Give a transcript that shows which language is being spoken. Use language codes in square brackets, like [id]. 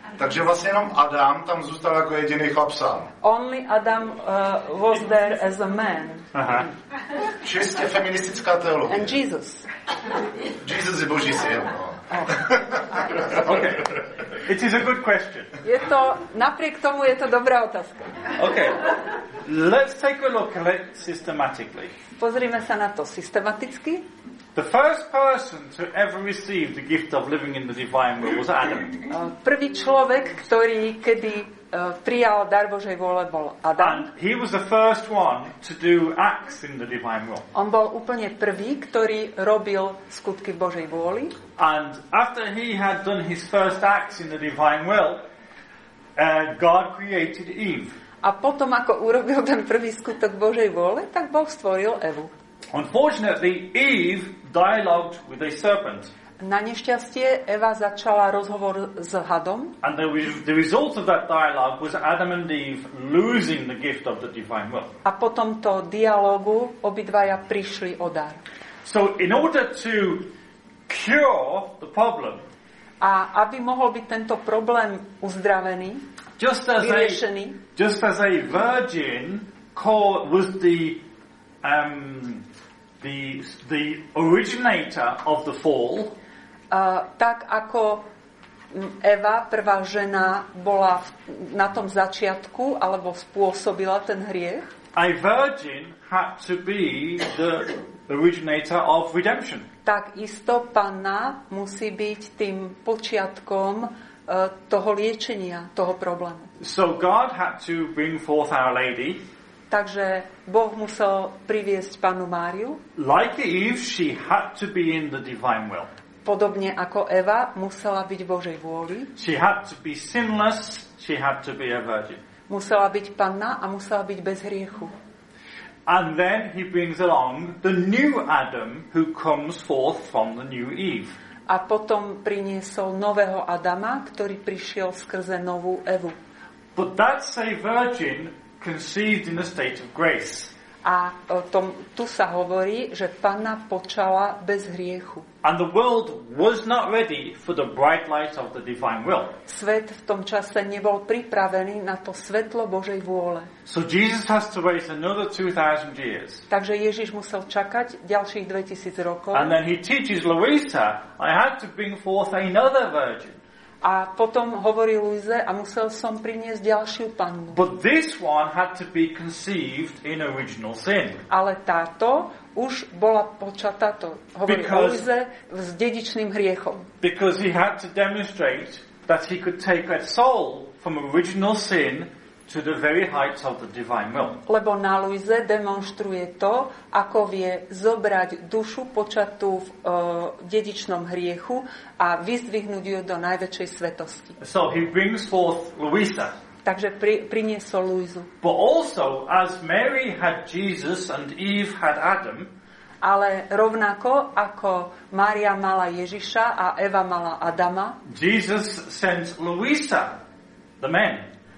[cs] Takže vlastně jenom Adam tam zůstal jako jediný chlap sám. [en] Only Adam was there as a man. Aha. [cs] Čistě feministická teologie. [en] And Jesus. [cs] Jesus je Boží syn. No. [en] Okay. It is a good question. [sk] Je to, napriek tomu je to dobrá otázka. [en] Okay. Let's take a look at it systematically. [sk] Pozrime sa na to systematicky. [en] The first person to ever receive the gift of living in the divine will was Adam. [sk] Prvý človek, ktorý kedy prijal dar Božej vôle, bol Adam. [en] And he was the first one to do acts in the divine will. [sk] On bol úplne prvý, ktorý robil skutky Božej vôli. [en] And after he had done his first acts in the divine will, And God created Eve. [sk] A potom ako urobil ten prvý skutok Božej vôle, tak Boh stvoril Evu. [en] Unfortunately, Eve dialogued with a serpent. [sk] Na nešťastie Eva začala rozhovor s hadom. [en] And the result of that dialogue was Adam and Eve losing the gift of the divine will. [sk] A po tomto dialogu obidvaja prišli o dar. [en] So in order to cure the problem. [sk] A aby mohol byť tento problém uzdravený, vyriešený. [en] Just as a virgin was the originator of the fall. [sk] Tak ako Eva, prvá žena, bola na tom začiatku alebo spôsobila ten hriech. [en] A virgin had to be the originator of redemption. [sk] Tak isto panna musí byť tým počiatkom toho liečenia toho problému. [en] So God had to bring forth Our Lady. [sk] Takže Boh musel priviesť Pannu Máriu. [en] Like Eve, she had to be in the divine will. [sk] Podobne ako Eva, musela byť Božej vôli. [en] She had to be sinless, she had to be a virgin. [sk] Musela byť panna a musela byť bez hriechu. [en] And then he brings along the new Adam who comes forth from the new Eve. [sk] A potom priniesol nového Adama, ktorý prišiel skrze novú Evu. [en] But that's a virgin conceived in a state of grace. [sk] A tom, tu sa hovorí, že panna počala bez hriechu. [en] And the world was not ready for the bright light of the divine will. [sk] Svet v tom čase nebol pripravený na to svetlo Božej vôle. [en] So Jesus has to wait another 2000 years. [sk] Takže Ježiš musel čakať ďalších 2000 rokov. [en] And then he teaches Louisa, I had to bring forth another virgin. [sk] A potom hovorí Luize a musel som priniesť ďalšiu pannu. [en] But this one had to be conceived in original sin. [sk] Ale táto už bola počatá, to hovorí Luize, s dedičným hriechom. [en] Because he had to demonstrate that he could take a soul from original sin to the very heights of the divine will. [sk] Lebo na Luize demonstruje to, ako vie zobrať dušu počatú v dedičnom hriechu a vyzdvihnúť ju do najväčšej svetosti. [en] So he brings forth Luisa. [sk] Takže priniesol Luizu. [en] But also, as Mary had Jesus and Eve had Adam, [sk] ale rovnako ako Mária mala Ježiša a Eva mala Adama, [en] Jesus sent Luisa, the man.